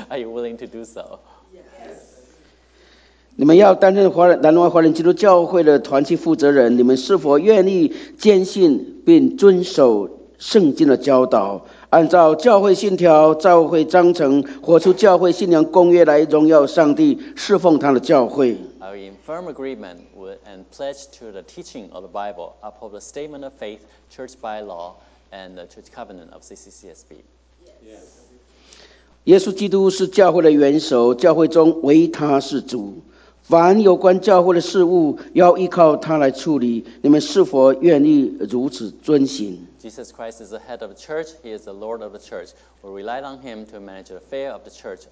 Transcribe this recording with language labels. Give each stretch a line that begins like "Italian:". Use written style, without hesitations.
English: Are you willing to do so? Yes.
Chinese: 你们要担任南荣华人基督教会的团契负责人，你们是否愿意坚信并遵守圣经的教导，按照教会信条、教会章程，活出教会信仰公约来荣耀上帝，侍奉他的教会
English: ？Are you in firm agreement with and pledge to the teaching of the Bible, uphold the statement of faith, church bylaw, and the church covenant of CCCSB? Yes.
Chinese: 耶稣基督是教会的元首，教会中唯他是主。凡有关教会的事物，要依靠他来处理。你们是否愿意如此遵行？
English: Jesus Christ is the head of the church. He is the Lord of the church. We rely on him to manage the affair of the church.